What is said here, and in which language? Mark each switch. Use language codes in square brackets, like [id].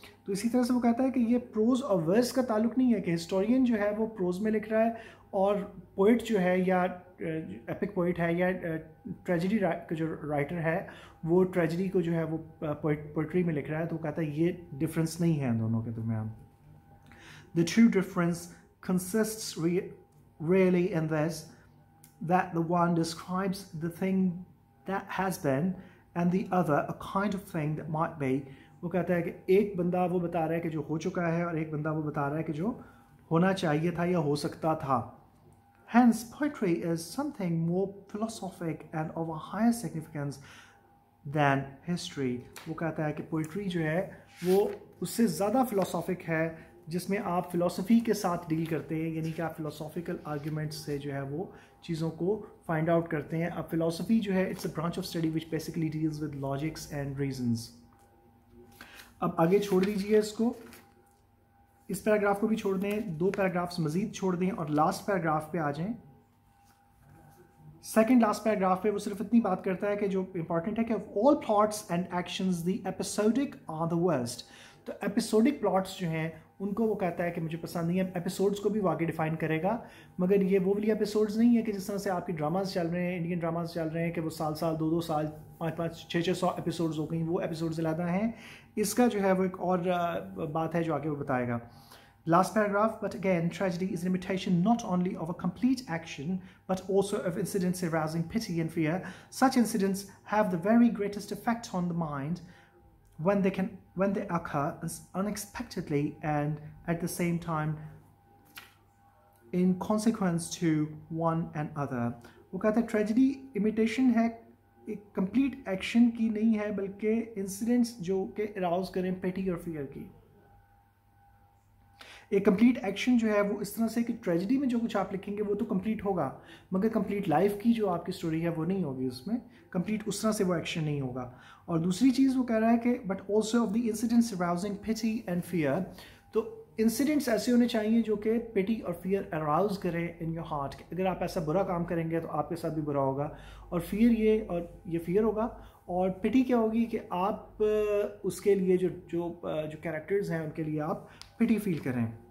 [hi] तो इसी तरह से वो कहता है कि ये प्रोज और वर्स का ताल्लुक नहीं है कि हिस्टोरियन जो है वो प्रोज में लिख रहा है और पोइट जो है या एपिक पोइट है या ट्रेजेडी का जो राइटर है वो ट्रेजेडी को जो है वो पोइट्री में लिख रहा है। तो वो कहता है ये डिफरेंस नहीं है दोनों के दरमियान। [en] The true difference consists really in this, that the one describes the thing that has been and the other a kind of thing that might be. [hi] वो कहता है कि एक बंदा वो बता रहा है कि जो हो चुका है और एक बंदा वो बता रहा है कि जो होना चाहिए था या हो सकता था. [en] Hence, poetry is something more philosophic and of a higher significance than history. [hi] वो कहता है कि poetry जो है वो उससे ज़्यादा philosophic है, जिसमें आप philosophy के साथ deal करते हैं, यानी कि आप philosophical arguments से जो है वो चीज़ों को find out करते हैं. अब philosophy जो है [en] it's a branch of study which basically deals with logics and reasons. [hi] अब आगे छोड़ दीजिए इसको, इस पैराग्राफ को भी छोड़ दें, दो पैराग्राफ्स मज़ीद छोड़ दें और लास्ट पैराग्राफ पे आ जाएं. सेकंड लास्ट पैराग्राफ पे वो सिर्फ इतनी बात करता है कि जो इम्पॉर्टेंट है कि [en] All plots and actions the episodic are the worst. [hi] तो एपिसोडिक प्लॉट्स जो हैं उनको वो कहता है कि मुझे पसंद नहीं है. एपिसोड्स को भी वो आगे डिफाइन करेगा, मगर ये वो वाली एपिसोड्स नहीं है कि जिस तरह से आपके ड्रामास चल रहे हैं, इंडियन ड्रामास चल रहे हैं कि वो साल साल दो दो साल पाँच पाँच छः छः सौ एपिसोड्स हो गई, वो एपिसोड्स ज़्यादा हैं. इसका जो है वो एक और बात है जो आगे वो बताएगा. [en] Last paragraph, but again tragedy is limitation not only of a complete action but also of incidents arising pity and fear. Such incidents have the very greatest effect on the mind when they occur unexpectedly and at the same time in consequence to one and other. [hi] वो कहते हैं tragedy imitation है, एक complete action की नहीं है बल्कि incidents जो के arouse करें pity और fear की. एक complete action जो है वो इस तरह से कि tragedy में जो कुछ आप लिखेंगे वो तो complete होगा, मगर complete life की जो आपकी story है वो नहीं होगी उसमें, complete उस तरह से वो action नहीं होगा. और दूसरी चीज़ वो कह रहा है कि [en] but also of the incidents arousing pity and fear. [hi] तो incidents ऐसे होने चाहिए जो कि pity और fear arouse करें [en] in your heart. [hi] अगर आप ऐसा बुरा काम करेंगे तो आपके साथ भी बुरा होगा, और fear ये और ये fear होगा, और pity क्या होगी कि आप उसके लिए जो जो जो characters हैं उनके लिए आप पिटी फील करें.